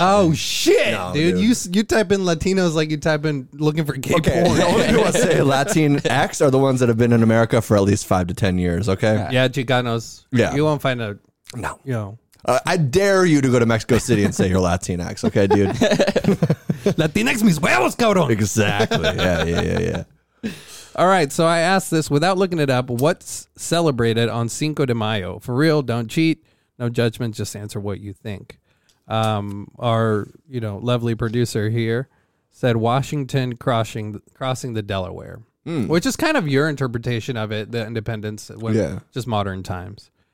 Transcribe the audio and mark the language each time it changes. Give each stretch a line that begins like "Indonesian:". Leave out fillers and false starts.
English: you're saying. Oh, shit, no, dude. You type in Latinos like you type in looking for gay porn. You want to say Latinx are the ones that have been in America for at least 5 to 10 years, okay? Yeah, Chicanos. Yeah. You won't find a... No. You know. I dare you to go to Mexico City and say you're Latinx, okay, dude?
Spanish: Latinx mis huevos, cabrón.
English: Exactly. Yeah. All right, so I asked this without looking it up. What's celebrated on Cinco de Mayo? For real, don't cheat. No judgment. Just answer what you think. Our, you know, lovely producer here said Washington crossing the Delaware, which is kind of your interpretation of it, the independence, just modern times.